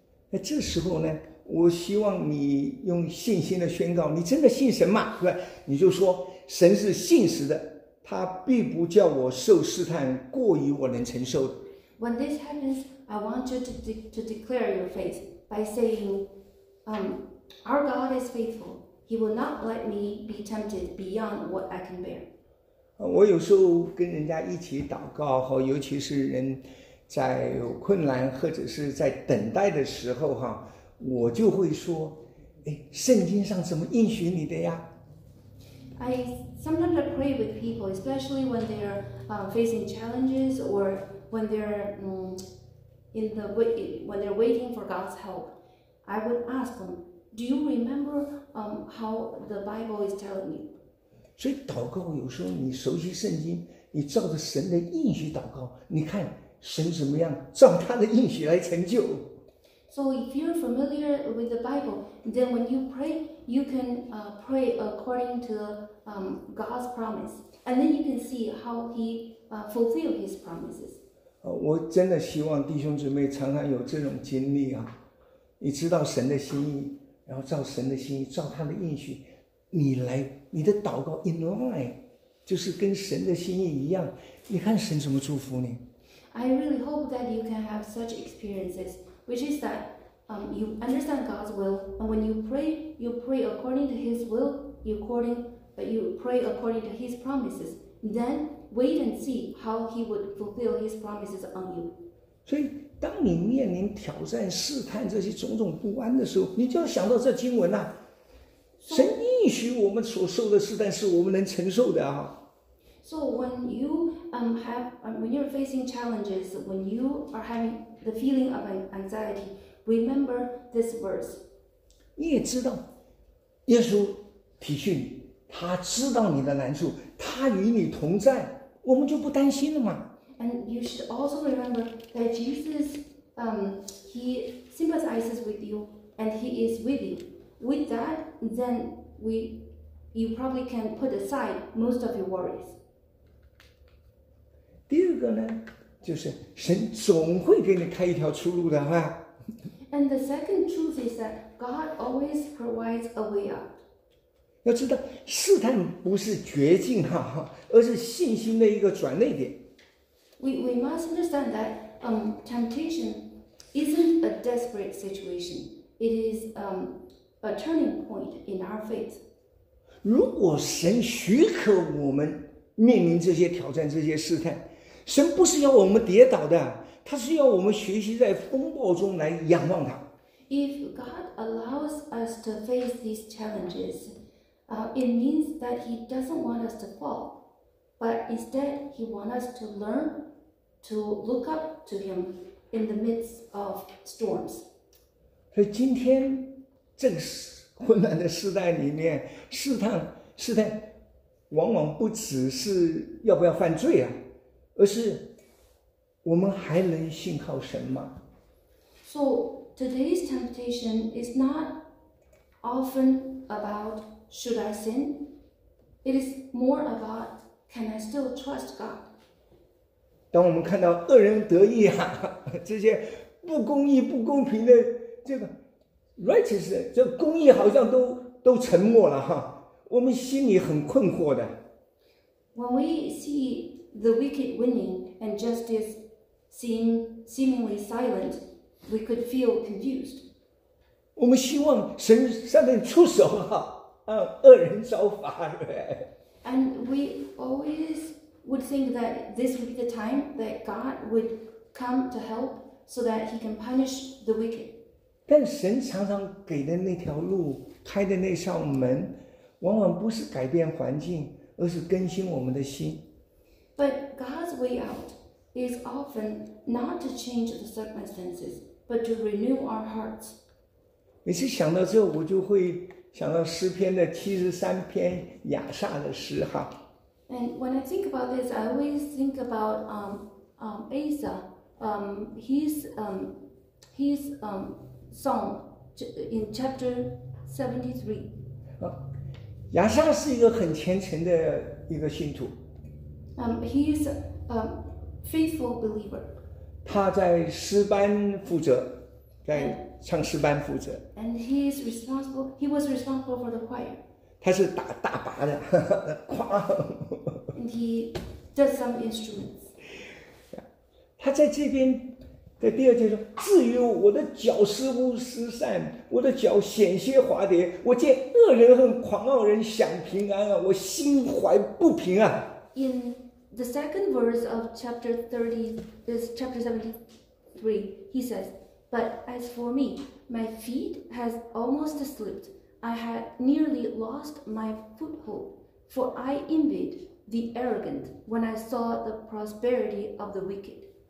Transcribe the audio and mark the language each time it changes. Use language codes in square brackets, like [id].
[zh] 那这时候呢，我希望你用信心的宣告，你真的信神吗？对吧？你就说神是信实的，他必不叫我受试探过于我能承受的。 [en] When this happens, I want you to declare your faith by saying, "Our God is faithful. He will not let me be tempted beyond what I can bear." [zh] 我有时候跟人家一起祷告，尤其是人在有困难或者是在等待的时候，我就会说，圣经上怎么应许你的呀？ [en] I sometimes pray with people, especially when they're facing challenges or when they're when they're waiting for God's help. I would ask them, do you remember how the Bible is telling you? [zh] 所以祷告有时候你熟悉圣经，你照着神的应许祷告，你看神怎么样照他的应许来成就。 [en] So if you're familiar with the Bible, then when you pray, you can pray according to God's promise, and then you can see how he fulfilled his promises. [zh] 我真的希望弟兄姊妹常常有这种经历啊，你知道神的心意，然后照神的心意，照他的应许，你来，你的祷告 [en] in line， [zh] 就是跟神的心意一样，你看神怎么祝福你。 [en] I really hope that you can have such experiences, which is that you understand God's will, and when you pray according to His will, you pray according to His promises. Then wait and see how He would fulfill His promises on you. [zh] 所以，当你面临挑战、试探这些种种不安的时候，你就要想到这经文呐、啊。神应许我们所受的试探是我们能承受的啊。 [en] So when you when you're facing challenges, when you are having the feeling of anxiety, remember this verse. [zh] 你也知道，耶稣体恤你，他知道你的难处，他与你同在，我们就不担心了嘛。 [en] And you should also remember that Jesus, he sympathizes with you, and he is with you. With that, then you probably can put aside most of your worries. [zh] 第二个呢，就是神总会给你开一条出路的哈。 [en] And the second truth is that God always provides a way out. [zh] 要知道，试探不是绝境哈，而是信心的一个转捩点。 [en] We must understand that temptation isn't a desperate situation. It is a turning point in our faith. [zh] 如果神许可我们面临这些挑战、这些试探。神不是要我们跌倒的，他是要我们学习在风暴中来仰望他。 [en] If God allows us to face these challenges, it means that He doesn't want us to fall, but instead He wants us to learn to look up to Him in the midst of storms. [zh] 所以今天这个混乱的时代里面，试探，往往不只是要不要犯罪啊。而是我们还能信靠神吗？ [en] So today's temptation is not often about should I sin? It is more about can I still trust God? [zh] 当我们看到恶人得意啊，这些不公义、不公平的这个 righteous， 这公义好像都沉默了哈，我们心里很困惑的。 [en] When we see the wicked winning and justice seemingly silent, we could feel confused. [zh] 我们希望神上帝出手啊，让恶人遭罚。 [en] And we always would think that this would be the time that God would come to help so that he can punish the wicked. [zh] 但神常常给的那条路，开的那扇门，往往不是改变环境，而是更新我们的心。 [en] But God's way out is often not to change the circumstances, but to renew our hearts. [zh] 每次想到这，我就会想到诗篇的73篇亚萨的诗哈。 [en] And when I think about this, I always think about Asa, his song in chapter 73. [zh] 亚萨是一个很虔诚的一个信徒。 [en] He is a faithful believer. [zh] 他在诗班负责，在唱诗班负责。 [en] And he is responsible. He was responsible for the choir. [zh] 他是打大拔的，哈哈。 [en] And he does some instruments. [zh] 他在这边的第二节说：“至于我的脚似乎失散，我的脚险些滑跌。我见恶人和狂傲人享平安啊，我心怀不平啊。” [en] In the second verse of chapter 73, he says, "But as for me, my feet has almost slipped. I had nearly lost my foothold, for I envied the arrogant when I saw the prosperity of the wicked."